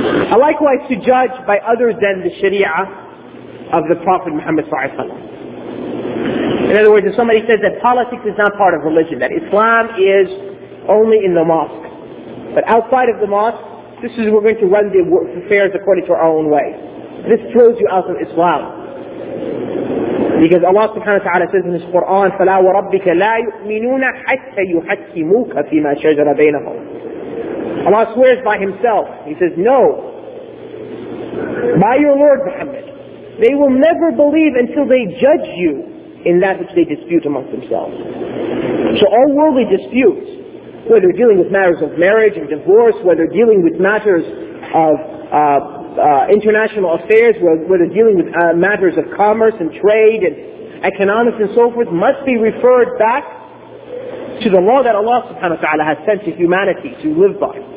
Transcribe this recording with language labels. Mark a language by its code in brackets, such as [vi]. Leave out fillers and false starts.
[en] And likewise, to judge by others than the Sharia of the Prophet Muhammad ﷺ. In other words, if somebody says that politics is not part of religion, that Islam is only in the mosque, but outside of the mosque, this is we're going to run the affairs according to our own way. This throws you out of Islam. Because Allah subhanahu wa ta'ala says in His Qur'an, [ar] فَلَا وَرَبِّكَ لَا يُؤْمِنُونَ حَتَّى يُحَكِّمُوكَ فِي مَا شَجَرَ بَيْنَهُمْ. [en] Allah swears by Himself. He says, no. By your Lord Muhammad, they will never believe until they judge you in that which they dispute amongst themselves. So all worldly disputes, whether dealing with matters of marriage and divorce, whether dealing with matters of international affairs, whether dealing with matters of commerce and trade and economics and so forth, must be referred back to the law that Allah subhanahu wa ta'ala has sent to humanity to live by.